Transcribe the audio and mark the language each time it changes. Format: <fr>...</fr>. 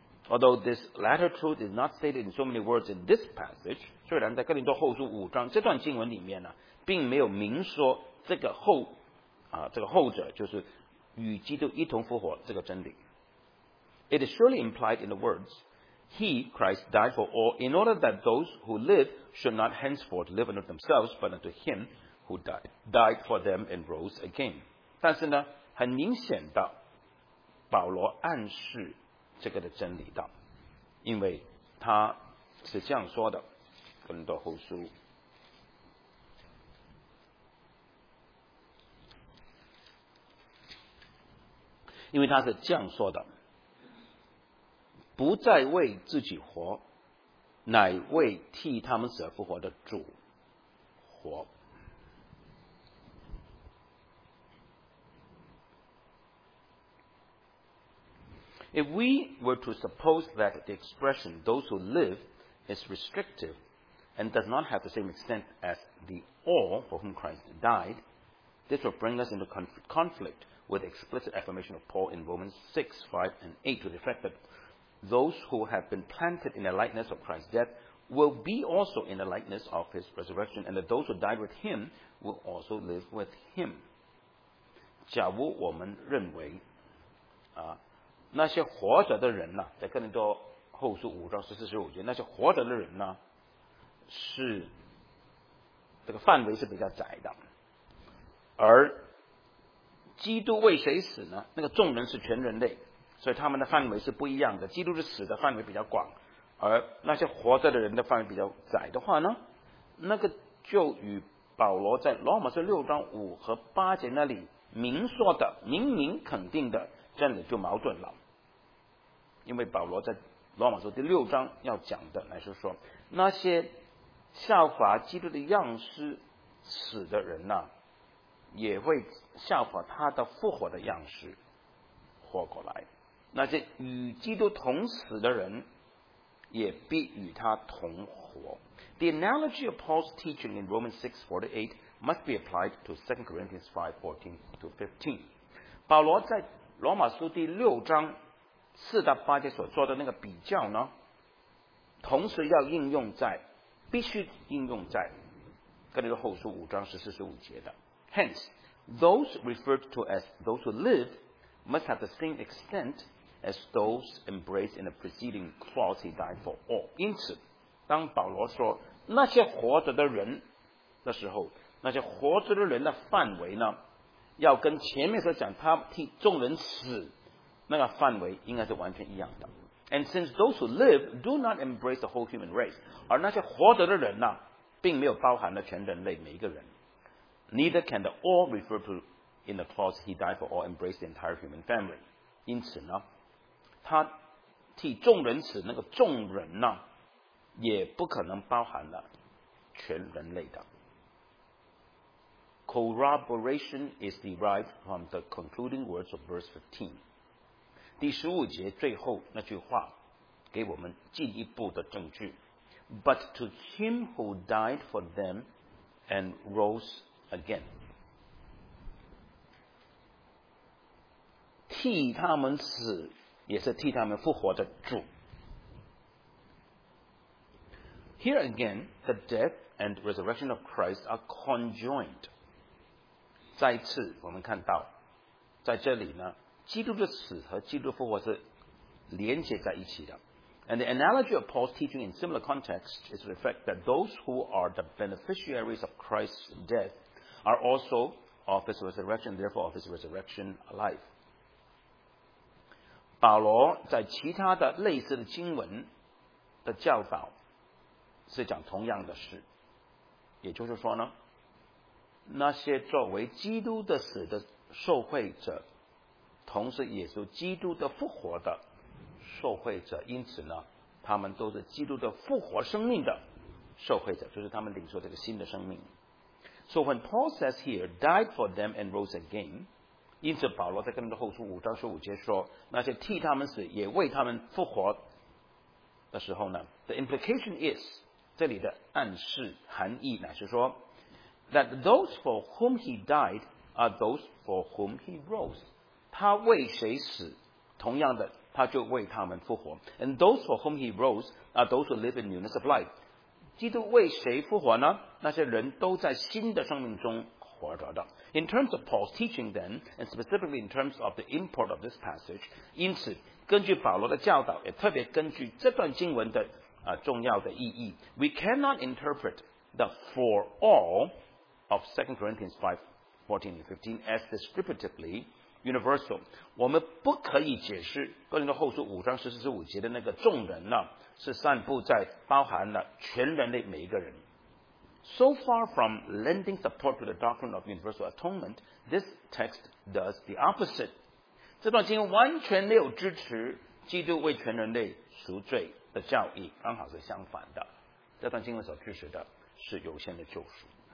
<en>Although this latter truth is not stated in so many words in this passage,</en> <zh>虽然在哥林多后书五章这段经文里面呢，并没有明说这个后者就是与基督一同复活这个真理。</zh> <en>It is surely implied in the words. He, Christ, died for all in order that those who live should not henceforth live unto themselves, but unto him who died for them and rose again.</en> <zh>但是呢，很明显的，保罗暗示这个的真理的，因为他是这样说的，《哥林多后书》不再为自己活，乃为替他们死而复活的主活。</zh> <en>If we were to suppose that the expression those who live is restrictive and does not have the same extent as the all for whom Christ died, this would bring us into conflict with the explicit affirmation of Paul in Romans 6:5-8 to the effect that those who have been planted in the likeness of Christ's death will be also in the likeness of his resurrection, and that those who died with him will also live with him.</en> <zh>假如我们认为那些活着的人呢，在哥林多后书五章14-15节，那些活着的人呢，是这个范围是比较窄的，而基督为谁死呢？那个众人是全人类。所以他们的范围是不一样的，基督的死的范围比较广，而那些活着的人的范围比较窄的话呢，那个就与保罗在罗马书6:5-8那里明说的明明肯定的真的就矛盾了。因为保罗在罗马书第六章要讲的乃是说，那些效法基督的样式死的人呢、啊，也会效法他的复活的样式活过来，那些与基督同死的人也必与他同活。</zh> <en>The analogy of Paul's teaching in Romans 6:48 must be applied to 2 Corinthians 5:14-15.</en> <zh>保罗在罗马书第六章四到八节所做的那个比较呢，同时要应用在，必须应用在哥林多后书五章十四十五节的。</zh> <en>Hence, those referred to as those who live must have the same extent as those embraced in the preceding clause he died for all.</en> <zh>因此当保罗说那些活着的人的时候，那些活着的人的范围呢，要跟前面所讲他替众人死那个范围应该是完全一样的。</zh> <en>And since those who live do not embrace the whole human race,</en> <zh>而那些活着的人呢，并没有包含了全人类每一个人，</zh> <en>Neither can the all refer to in the clause he died for all embrace the entire human family.</en> <zh>因此呢，他替众人死那个众人呢，也不可能包含了全人类的。</zh> <en>Corroboration is derived from the concluding words of verse 15.</en> <zh>第十五节最后那句话给我们进一步的证据。</zh> <en>But to him who died for them and rose again，</en> <zh>替他们死也是替他们复活的主。</zh> <en>Here again, the death and resurrection of Christ are conjoined.</en> <zh>再次我们看到在这里呢，基督的死和基督的复活是连接在一起的。</zh> <en>And the analogy of Paul's teaching in similar context is the fact that those who are the beneficiaries of Christ's death are also of his resurrection, therefore of his resurrection alive.</en> <zh>保罗在其他的类似的经文的教导是讲同样的事，也就是说呢，那些作为基督的死的受惠者，同时也是基督的复活的受惠者，因此呢，他们都是基督的复活生命的受惠者，就是他们领受这个新的生命。</zh> <en>So when Paul says here, died for them and rose again，</en> <zh>因此保罗在跟他的后书五章十五节说那些替他们死也为他们复活的时候呢，</zh> <en>The implication is，</en> <zh>这里的暗示含义乃是说</zh> <en>That those for whom he died are those for whom he rose，</en> <zh>他为谁死同样的他就为他们复活。</zh> <en>And those for whom he rose are those who live in newness of life，</en> <zh>基督为谁复活呢？那些人都在新的生命中。</zh> <en>In terms of Paul's teaching then, and specifically in terms of the import of this passage,</en> <zh>因此根据保罗的教导，也特别根据这段经文的重要的意义，</zh> <en>we cannot interpret the for all of 2 Corinthians 5:14 and 15 as descriptively universal.</en> <zh>我们不可以解释哥林多后书五章十四十五节的那个众人呢，是散布在包含了全人类每一个人。</zh> <en>So far from lending support to the doctrine of universal atonement, this text does the opposite.</en> <zh>这段经文完全没有支持基督为全人类赎罪的教义，刚好是相反的。这段经文所支持的是有限的救赎。</zh>